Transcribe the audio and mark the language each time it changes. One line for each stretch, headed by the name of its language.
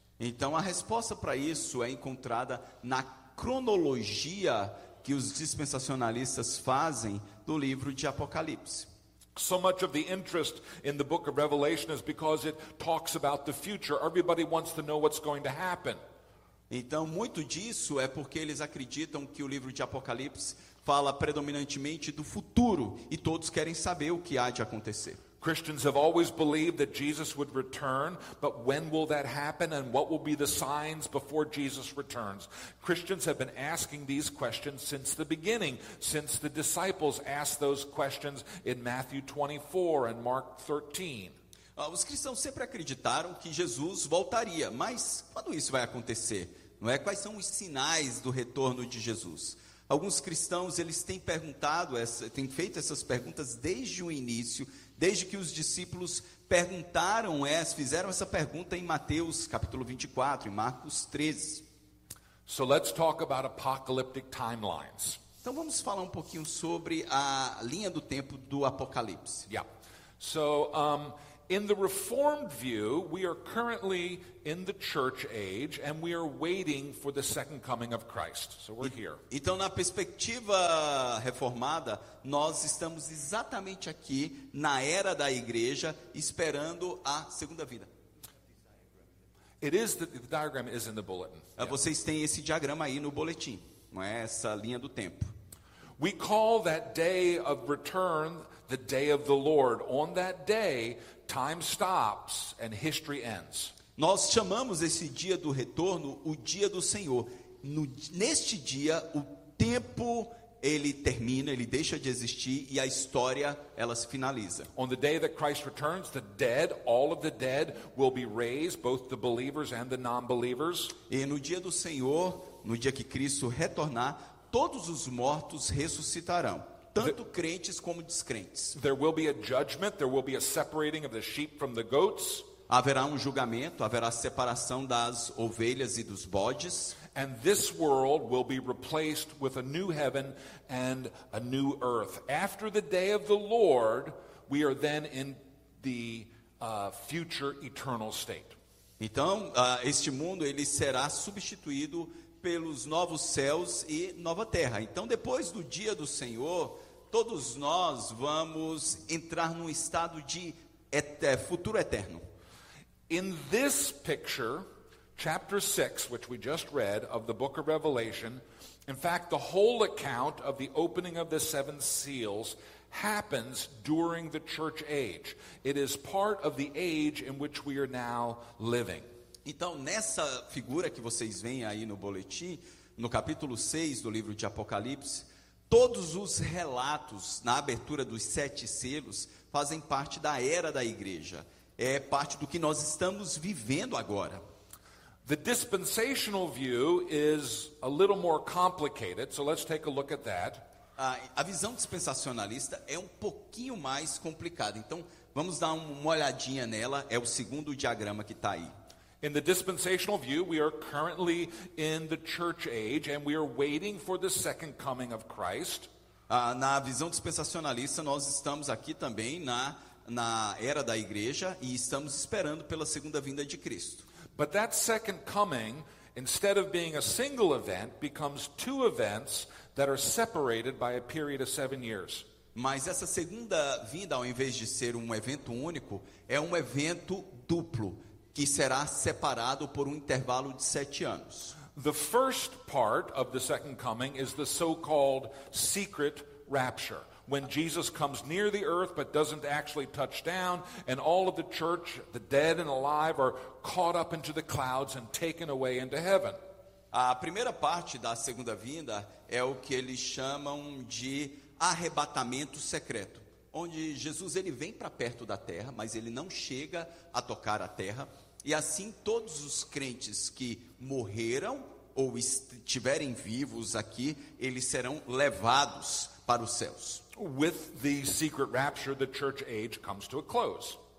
Portuguese: Então a resposta para isso é encontrada na cronologia que os dispensacionalistas fazem do livro de Apocalipse.
English: So much of the interest in the Book of Revelation is because it talks about the future. Everybody wants to know what's going to happen.
Portuguese: Então, muito disso é porque eles acreditam que o livro de Apocalipse fala predominantemente do futuro e todos querem saber o que há de acontecer.
English: Christians have always believed that Jesus would return, but when will that happen and what will be the signs before Jesus returns? Christians have been asking these questions since the beginning, since the disciples asked those questions in Matthew 24 and Mark 13.
Portuguese: Os cristãos sempre acreditaram que Jesus voltaria, mas quando isso vai acontecer? Não é? Quais são os sinais do retorno de Jesus? Alguns cristãos, eles têm perguntado, têm feito essas perguntas desde o início, desde que os discípulos perguntaram, fizeram essa pergunta em Mateus capítulo 24, em Marcos 13.
English: So let's talk about apocalyptic timelines.
Portuguese: Então vamos falar um pouquinho sobre a linha do tempo do Apocalipse.
English: Yeah. So, in the Reformed view, we are currently in the church age and we are waiting for the second coming of Christ. So we're here.
Portuguese: Então, na perspectiva reformada, nós estamos exatamente aqui na era da igreja esperando a segunda vinda.
English: It is the diagram is in the bulletin.
Portuguese: Vocês têm esse diagrama aí no boletim, não é essa linha do tempo.
English: We call that day of return the day of the Lord. On that day, time stops and history ends.
Portuguese: Nós chamamos esse dia do retorno o dia do Senhor. Neste dia, o tempo ele termina, ele deixa de existir e a história ela se finaliza.
English: On the day that Christ returns, the dead, all of the dead, will be raised, both the believers and the non-believers.
Portuguese: E no dia do Senhor, no dia que Cristo retornar, todos os mortos ressuscitarão. Tanto crentes como descrentes.
English: There will be a judgment, there will be a separating of the sheep from the goats.
Portuguese: Haverá um julgamento, haverá separação das ovelhas e dos bodes.
English: And this world will be replaced with a new heaven and a new earth. After the day of the Lord, we are then in the future eternal state.
Portuguese: Então, este mundo ele será substituído pelos novos céus e nova terra. Então, depois do dia do Senhor, todos nós vamos entrar num estado de futuro eterno.
English: In this picture, chapter 6, which we just read, of the book of Revelation, in fact, the whole account of the opening of the seven seals happens during the church age. It is part of the age in which we are now living.
Portuguese: Então, nessa figura que vocês veem aí no boletim, no capítulo 6 do livro de Apocalipse, todos os relatos na abertura dos sete selos fazem parte da era da igreja. É parte do que nós estamos vivendo agora.
English: The dispensational view is a little more complicated, so let's take a look at that.
Portuguese: A visão dispensacionalista é um pouquinho mais complicada. Então, vamos dar uma olhadinha nela. É o segundo diagrama que está aí.
English: In the dispensational view, we are currently in the church age and we are waiting for the second coming of Christ.
Portuguese: Na visão dispensacionalista, nós estamos aqui também na era da igreja e estamos esperando pela segunda vinda de Cristo.
English: But that second coming, instead of being a single event, becomes two events that are separated by a period of 7 years.
Portuguese: Mas essa segunda vinda, ao invés de ser um evento único, é um evento duplo, que será separado por um intervalo de 7 anos.
English: The first part of the second coming is the so-called secret rapture, when Jesus comes near the earth but doesn't actually touch down, and all of the church, the dead and alive, are caught up into the clouds and taken away into heaven.
Portuguese: A primeira parte da segunda vinda é o que eles chamam de arrebatamento secreto, onde Jesus ele vem para perto da terra, mas ele não chega a tocar a terra, e assim todos os crentes que morreram ou estiverem vivos aqui, eles serão levados para os céus.
English: With the secret rapture, the church age comes to a close.